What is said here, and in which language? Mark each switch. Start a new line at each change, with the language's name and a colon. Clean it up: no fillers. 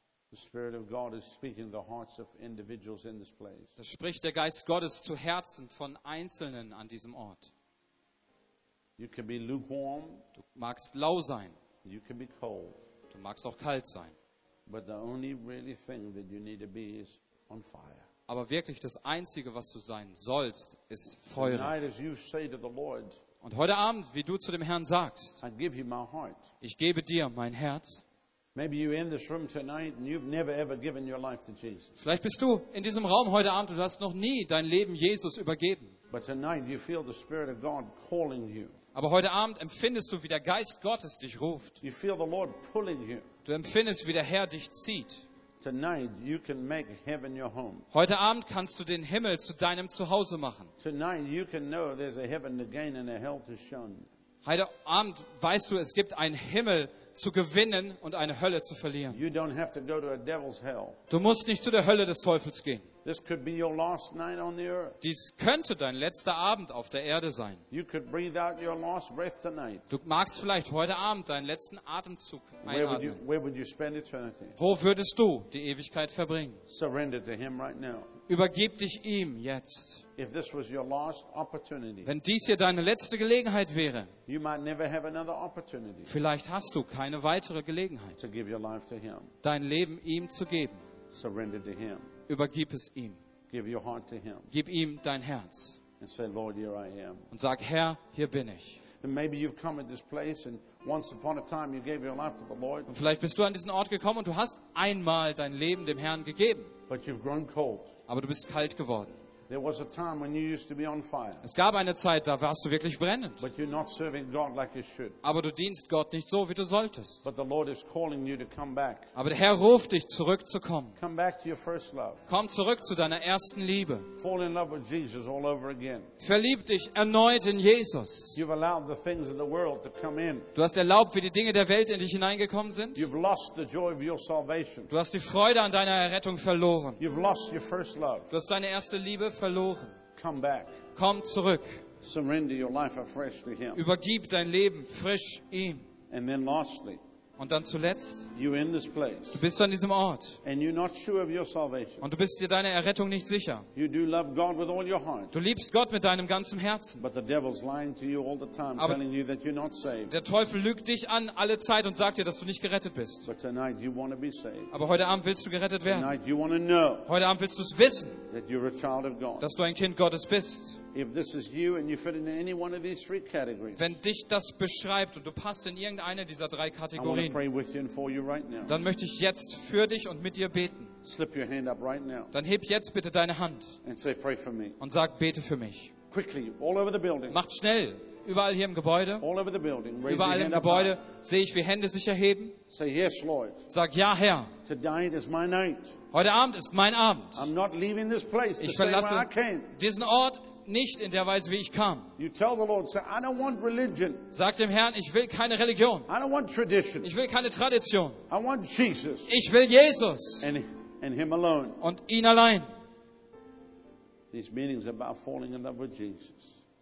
English: The Spirit of God is speaking the hearts of individuals in this place.
German: Da spricht der Geist Gottes zu Herzen von Einzelnen an diesem Ort.
English: You can be lukewarm.
German: Du magst lau sein.
English: You can be cold.
German: Du magst auch kalt sein.
English: But the only really thing that you need to be is on fire.
German: Aber wirklich das Einzige, was du sein sollst, ist feurig.
English: Tonight, as you say to the Lord,
German: und heute Abend, wie du zu dem Herrn sagst,
English: I give you my heart.
German: Ich gebe dir mein Herz.
English: Maybe you in this room tonight and you've never ever given your life to Jesus.
German: Vielleicht bist du in diesem Raum heute Abend und du hast noch nie dein Leben Jesus übergeben.
English: But tonight you feel the Spirit of God calling you.
German: Aber heute Abend empfindest du, wie der Geist Gottes dich ruft.
English: You feel the Lord pulling you.
German: Du empfindest, wie der Herr dich zieht.
English: Tonight you can make heaven your home.
German: Heute Abend kannst du den Himmel zu deinem Zuhause machen.
English: Tonight you can know there's a heaven to gain and a hell to shun.
German: Heute Abend weißt du, es gibt einen Himmel zu gewinnen und eine Hölle zu verlieren.
English: You don't have to go to a devil's hell.
German: Du musst nicht zu der Hölle des Teufels gehen.
English: This could be your last night on the earth.
German: Dies könnte dein letzter Abend auf der Erde sein.
English: You could breathe out your last breath tonight.
German: Du magst vielleicht heute Abend deinen letzten Atemzug einatmen.
English: Where would you spend eternity?
German: Wo würdest du die Ewigkeit verbringen?
English: Surrender to him right now.
German: Übergib dich ihm jetzt.
English: If this was your last opportunity,
German: wenn dies hier deine letzte Gelegenheit wäre,
English: you might never have another opportunity.
German: Vielleicht hast du keine weitere Gelegenheit,
English: to give your life to him.
German: Dein Leben ihm zu geben.
English: Surrender to him.
German: Übergib es ihm.
English: Give your heart to him.
German: Gib ihm dein Herz.
English: And say, Lord, here I am.
German: Und sag, Herr, hier bin ich.
English: And maybe you've come at this place and once upon a time you gave your life to the Lord.
German: Und vielleicht bist du an diesen Ort gekommen und du hast einmal dein Leben dem Herrn gegeben.
English: But you've grown cold.
German: Aber du bist kalt geworden.
English: There was a time when you used to be on fire.
German: Es gab eine Zeit, da warst du wirklich brennend.
English: But you're not serving God like you should.
German: Aber du dienst Gott nicht so, wie du solltest.
English: But the Lord is calling you to come back.
German: Aber der Herr ruft dich, zurückzukommen.
English: Come back to your first love.
German: Komm zurück zu deiner ersten Liebe.
English: Fall in love with Jesus all over again.
German: Verlieb dich erneut in Jesus.
English: You've allowed the things of the world to come in.
German: Du hast erlaubt, wie die Dinge der Welt in dich hineingekommen sind.
English: You've lost the joy of your salvation.
German: Du hast die Freude an deiner Errettung verloren.
English: You've lost your first love.
German: Du hast deine erste Liebe verloren.
English: Come back.
German: Komm zurück.
English: Surrender your life afresh to him.
German: Übergib dein Leben frisch ihm.
English: And then lastly,
German: und dann zuletzt,
English: you're in this place,
German: du bist an diesem Ort
English: and you're not sure of your salvation.
German: Und du bist dir deiner Errettung nicht sicher.
English: You do love God with all your heart,
German: du liebst Gott mit deinem ganzen Herzen.
English: But the devil's lying to you all the time,
German: aber
English: telling you that you're not saved.
German: Der Teufel lügt dich an alle Zeit und sagt dir, dass du nicht gerettet bist.
English: But tonight you want to be saved.
German: Aber heute Abend willst du gerettet werden.
English: Tonight you want to know,
German: heute Abend willst du es wissen,
English: that you're a child of God,
German: dass du ein Kind Gottes bist.
English: If this is you and you fit in any one of these three categories,
German: wenn dich das beschreibt und du passt in irgendeine dieser drei Kategorien,
English: I want to pray with you and for you right now.
German: Dann möchte ich jetzt für dich und mit dir beten.
English: Slip your hand up right now.
German: Dann heb jetzt bitte deine Hand
English: and say, pray for me.
German: Und sag, bete für mich.
English: Quickly, all over the building.
German: Macht schnell, überall hier im Gebäude.
English: All over the building, raise
German: überall im Gebäude sehe ich, wie Hände sich erheben.
English: Say, yes, Lord.
German: Sag, ja, Herr.
English: Tonight is my night.
German: Heute Abend ist mein Abend.
English: I'm not leaving this place.
German: Ich verlasse diesen Ort nicht in der Weise, wie ich kam.
English: You tell the Lord, say, I don't want religion.
German: Sag dem Herrn, ich will keine Religion.
English: I don't want tradition.
German: Ich will keine Tradition.
English: I want Jesus.
German: Ich will Jesus.
English: And him alone.
German: Und ihn allein.
English: These meetings are about falling in love with Jesus.